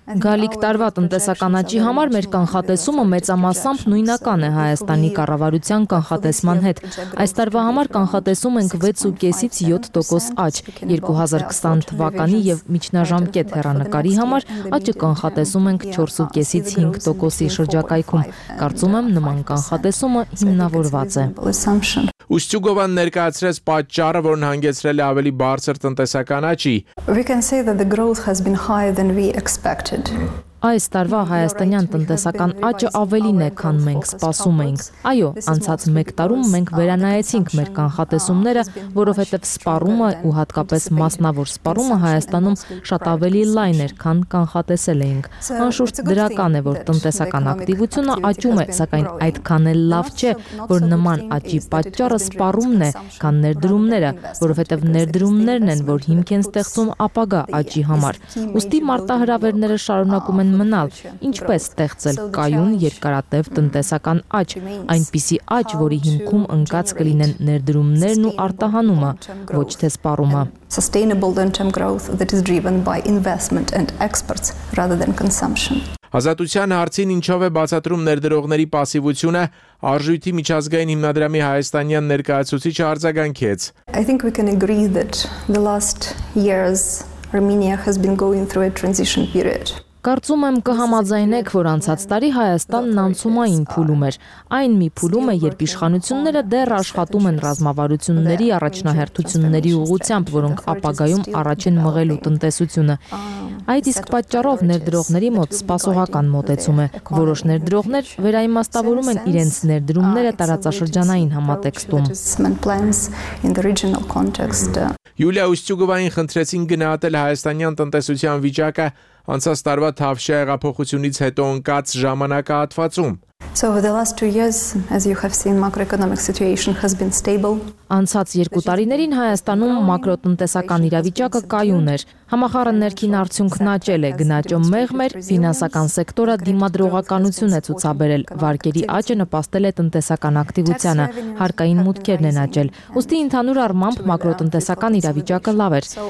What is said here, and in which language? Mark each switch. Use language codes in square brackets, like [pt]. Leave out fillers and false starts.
[hy] Գալիք տարվա տնտեսական աճի համար մեր կանխատեսումը մեծամասամբ նույնական է Հայաստանի կառավարության կանխատեսման հետ։ Այս տարվա համար կանխատեսում ենք 6.5-ից 7% աճ։ 2020 թվականի եւ միջնաժամկետ հեռանկարի համար աճը կանխատեսում ենք 4.5-ից 5% շրջակայքում։ Կարծում եմ, նման կանխատեսումը հիմնավորված է։ Ուստյուգովան ներկայացրեց պատճառը, որն հանգեցրել է ավելի բարձր տնտեսական աճի։ [en] We can say that the growth has been higher than we expected. [hy] Այս տարվա հայաստանյան տնտեսական աճը ավելին է, քան մենք սպասում էինք։ Այո, անցած 1 տարում մենք վերանայեցինք մեր կանխատեսումները, որովհետև սպառումը ու հատկապես մասնավոր սպառումը Հայաստանում շատ ավելի լայն էր, քան կանխատեսել էինք։ Անշուշտ դրական է, որ տնտեսական ակտիվությունը աճում է, սակայն այդքան էլ լավ չէ, որ նման աճի պատճառը սպառումն է, քան ներդրումները, որովհետև ներդրումներն են, որ հիմք են ստեղծում ապագա աճի համար։ Ուստի մարտահրավերները շարունակում են մնալ, ինչպես ստեղծել կայուն երկարատև տնտեսական աճ, այնպիսի աճ, որի հիմքում ընկած կլինեն ներդրումներն ու արտահանումը, ոչ թե սպառումը։ [en] Sustainable long-term growth that is driven by investment and exports rather than consumption. [hy] Ազատության հարցին ինչով է բացատրում ներդրողների пассивությունը, Արժույթի միջազգային հիմնադրամի հայաստանյան ներկայացուցիչը արձագանքեց. [en] I think we can agree that the last years Armenia has been going through a transition period. [hy] Կարծում եմ, կհամաձայնեք, որ անցած տարի Հայաստանն անցումային փուլում էր։ Այն մի փուլում է, երբ իշխանությունները դեռ աշխատում են ռազմավարությունների առաջնահերթությունների ուղղությամբ, որոնք ապագայում առաջ են մղելու տնտեսությունը։ Այդ իսկ պատճառով ներդրողների մոտ սպասողական մոտեցում է։ Որոշ ներդրողներ վերաիմաստավորում են իրենց ներդրումները տարածաշրջանային համատեքստում։ Յուլիա Ուստյուգովային խնդրեցին գնահատել հայաստանյան տնտեսության վիճակը անցած տարվա Թավշյա հեղափոխությունից հետո ընկած ժամանակահատվածում։ [en] So over the last 2 years, as you have seen, macroeconomic situation has been stable. [hy] Անցած 2 տարիներին Հայաստանում մակրոտնտեսական իրավիճակը կայուն էր։ Համախառը ներքին արդյունքն աճել է, գնաճը մեղմ էր, ֆինանսական սեկտորը դիմադրողականություն է ցուցաբերել, վարկերի աճը նպաստել է տնտեսական ակտիվությանը, հարկային մուտքերն են աճել։ Ուստի ընդհանուր առմամբ մակրոտնտեսական իրավիճակը լավ էր,